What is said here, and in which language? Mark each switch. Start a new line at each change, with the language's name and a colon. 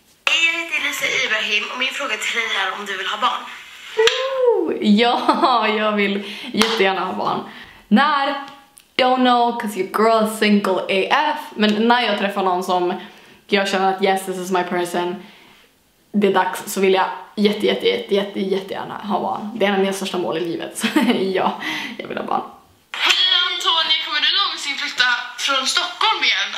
Swedish: Hej, jag heter Lisa Ibrahim och min fråga till dig är om du vill ha barn. Ja, jag vill jättegärna ha barn. När...
English: Don't know, cause your girl is single AF.
Swedish: Men när jag träffar någon som jag känner att
English: yes, this is my person,
Swedish: det är dags, så vill jag jättegärna ha barn. Det är en av mina största mål i livet. Så ja, jag vill ha barn. Hej Antonija, kommer du någonsin flytta från Stockholm igen?